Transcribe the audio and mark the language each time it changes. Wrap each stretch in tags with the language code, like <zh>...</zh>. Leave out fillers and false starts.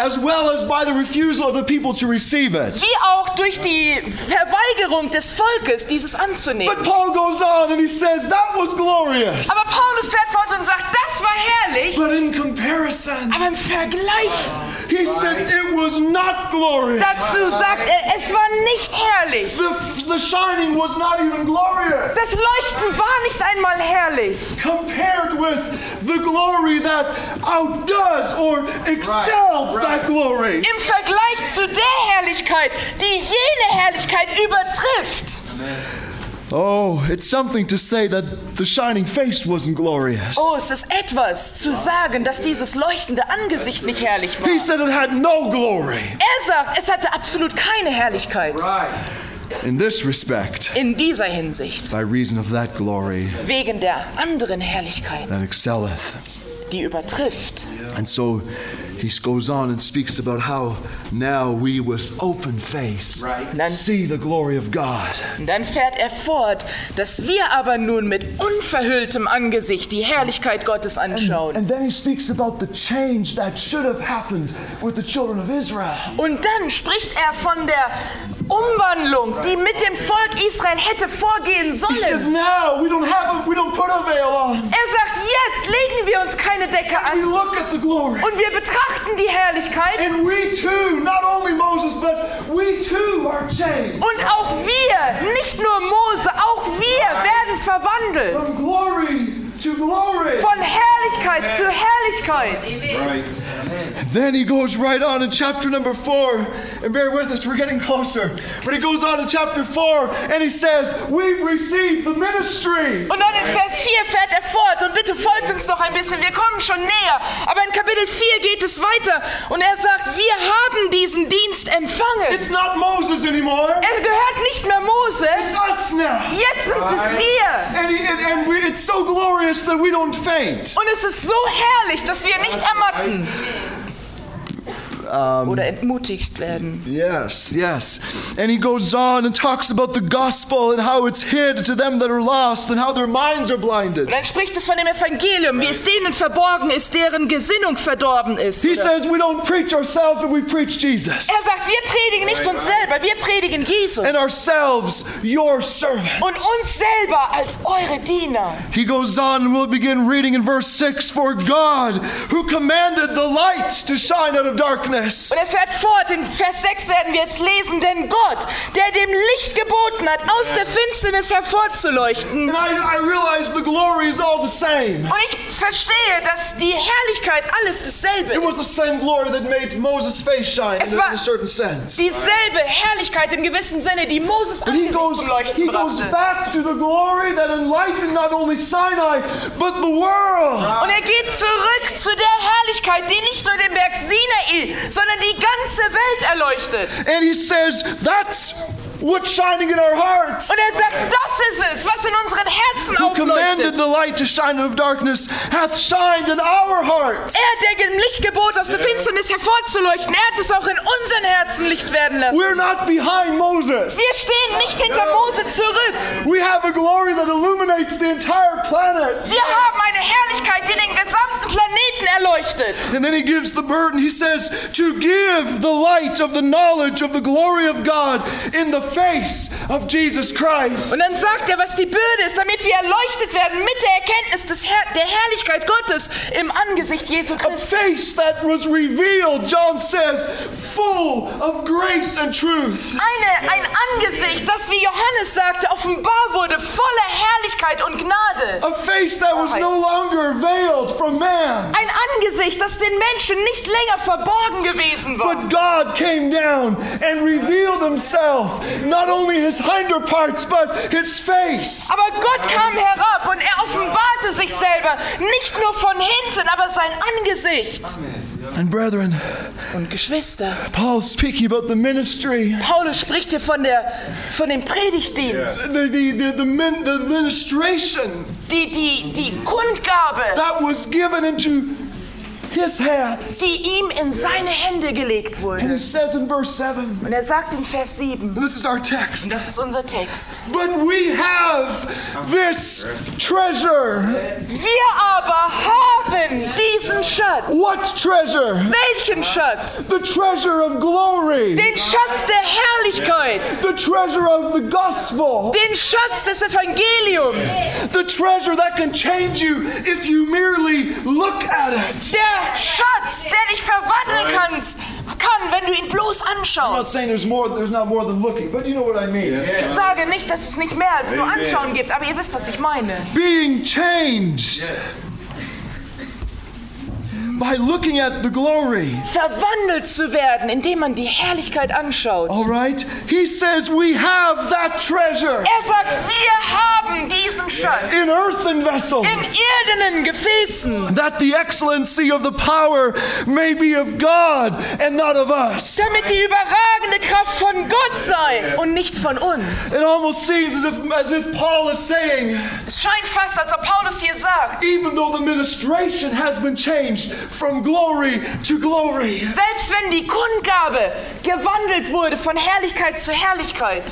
<en>as well as by the refusal of the people to receive it,</en> <de>wie auch durch die Verweigerung des Volkes, dieses anzunehmen.</de> <en>But Paul goes on and he says that was glorious.</en> <de>Aber Paulus fährt fort und sagt, das war herrlich.</de> <en>But in comparison,</en> <de>aber im Vergleich,</de> <en>he said it was not glorious.</en> <de>Dazu sagt er, es war nicht herrlich.</de> <en>The shining was not even glorious.</en> <de>Das Leuchten war nicht einmal herrlich.</de> <en>Compared with the glory that outdoes or excels that glory.</en> <de>Im Vergleich zu der Herrlichkeit, die jene Herrlichkeit übertrifft.</de> <en>Amen. Oh, it's something to say that the shining face wasn't glorious.</en> <de>Oh, es ist etwas zu sagen, dass dieses leuchtende Angesicht nicht herrlich war.</de> <en>He said it had no glory.</en> <de>Er sagt, es hatte absolut keine Herrlichkeit.</de> <en>In this respect,</en> <de>in dieser Hinsicht,</de> <en>by reason of that glory,</en> <de>wegen der anderen Herrlichkeit,</de> <en>that excelleth,</en> <de>die übertrifft.</de> <en>And so he goes on and speaks about how now we with open face see the glory of God.</en> <de>Dann fährt er fort, dass wir aber nun mit unverhülltem Angesicht die Herrlichkeit Gottes anschauen.</de> <en>And then he speaks about the change that should have happened with the children of Israel.</en> <de>Und dann spricht er von der Umwandlung, die mit dem Volk Israel hätte vorgehen sollen.</de> <en>He says, now we don't have we don't put a veil on.</en> <de>Er sagt, jetzt legen wir uns keine Decke an.</de> <en>We look at the glory.</en> <de>Und wir betrachten die Herrlichkeit.</de> <en>And we too, not only Moses, but we too are changed.</en> <de>Und auch wir, nicht nur Mose, auch wir werden verwandelt.</de> <en>From glory to glory.</en> <de>Von Herrlichkeit zu Herrlichkeit.</de> <en>Then he goes right on in chapter number 4, and bear with us, we're getting closer. But he goes on in chapter 4 and he says, we've received the ministry.</en> <de>Und dann in Vers 4 fährt er fort und bitte folgt uns noch ein bisschen, wir kommen schon näher. Aber in Kapitel 4 geht es weiter und er sagt, wir haben diesen Dienst empfangen.</de> <en>It's not Moses anymore.</en> <de>Er gehört nicht mehr Mose.</de> <en>It's us now.</en> <de>Jetzt sind es wir.</de> <en>And it's so glorious that we don't faint.</en> <de>Und es ist so herrlich, dass wir nicht ermatten. Oder entmutigt werden.</de> <en>Yes, yes. And he goes on and talks about the gospel and how it's hid to them that are lost and how their minds are blinded.</en> <de>Und dann spricht es von dem Evangelium, wie es denen verborgen ist, deren Gesinnung verdorben ist.</de> <en>He says we don't preach ourselves and we preach Jesus.</en> <de>Er sagt, wir predigen nicht uns selber, wir predigen Jesus.</de> <en>And ourselves your servants.</en> <de>Und uns selber als eure Diener.</de> <en>He goes on and we'll begin reading in verse 6, for God who commanded the light to shine out of darkness.</en> <de>Und er fährt fort, in Vers 6 werden wir jetzt lesen, denn Gott, der dem Licht geboten hat, aus der Finsternis hervorzuleuchten.</de> <en>I realize the glory is all the same.</en> <de>Und ich verstehe, dass die Herrlichkeit alles dasselbe ist.</de> <en>It was the same glory that made Moses' face shine in a certain sense.</en> <de>Dieselbe Herrlichkeit im gewissen Sinne, die Moses' Angesicht zum Leuchten brachte.</de> <en>He goes back to the glory that enlightened not only Sinai, but the world.</en> <de>Und er geht zurück zu der Herrlichkeit, die nicht nur den Berg Sinai, sondern die ganze Welt erleuchtet.</de> <en>And he says, that's what's shining in our hearts.</en> <de>Und er sagt, das ist es, was in unseren Herzen aufleuchtet.</de> <en>Who commanded the light to shine out of darkness hath shined in our hearts.</en> <de>Er, der dem Licht gebot, aus der Finsternis hervorzuleuchten, er hat es auch in unseren Herzen Licht werden lassen.</de> <en>We're not behind Moses.</en> <de>Wir stehen nicht hinter Mose zurück.</de> <en>We have a glory that illuminates the entire planet.</en> <de>Wir haben eine Herrlichkeit, die den gesamten Planeten erleuchtet.</de> <en>And then he gives the burden, he says, to give the light of the knowledge of the glory of God in the face of Jesus Christ.</en> <de>Und dann sagt er, was die Bürde ist, damit wir erleuchtet werden mit der Erkenntnis des der Herrlichkeit Gottes im Angesicht Jesu Christi.</de> <en>A face that was revealed, John says, full of grace and truth.</en> <de>Ein Angesicht, das, wie Johannes sagte, offenbar wurde, voller Herrlichkeit und Gnade.</de> <en>A face that was no longer veiled from man.</en> <de>Ein Angesicht, Angesicht, das den Menschen nicht länger verborgen gewesen war.</de> <en>But God came down and revealed himself, not only his hinder parts, but his face.</en> <de>Aber Gott kam herab und er offenbarte sich selber, nicht nur von hinten, aber sein Angesicht.</de> <en>And brethren,</en> <de>und Geschwister,</de> <en>Paul speaking about the ministry.</en> <de>Paulus spricht hier von dem Predigtdienst.</de> <en>The ministration.</en> <de>Die Kundgabe.</de> <en>That was given into his hands.</en> <de>Die ihm in seine Hände gelegt wurde.</de> <en>And it says in verse 7.</en> <de>Und er sagt in Vers 7.</de> <en>This is our text.</en> <de>Und das ist unser Text.</de> <en>But we have this treasure.</en> <de>Wir aber haben diesen Schatz.</de> <en>What treasure?</en> <de>Welchen Schatz?</de> <en>The treasure of glory.</en> <de>Den Schatz der Herrlichkeit.</de> <en>The treasure of the gospel.</en> <de>Den Schatz des Evangeliums.</de> <en>The treasure that can change you if you merely look at it.</en> <de>Der Schatz, der dich verwandeln kann, wenn du ihn bloß anschaust.</de> <en>I'm not saying there's not more than looking, but you know what I mean. Yeah.</en> <de>Ich sage nicht, dass es nicht mehr als nur Anschauen gibt, aber ihr wisst, was ich meine.</de> <en>Being changed. Yes. By looking at the glory.</en> <de>Verwandelt zu werden, indem man die Herrlichkeit anschaut.</de> <en>All right. He says we have that treasure.</en> <de>Er sagt, wir haben diesen Schatz.</de> <en>In earthen vessels.</en> <de>In irdenen Gefäßen.</de> <en>That the excellency of the power may be of God and not of us.</en> <de>Damit die überragende Kraft von Gott sei und nicht von uns.</de> <en>It almost seems as if Paul is saying.</en> <de>Es scheint fast, als ob Paulus hier sagt.</de> <en>Even though the ministration has been changed. From glory to glory.</en> <de>Selbst wenn die Kundgabe gewandelt wurde von Herrlichkeit zu Herrlichkeit,</de>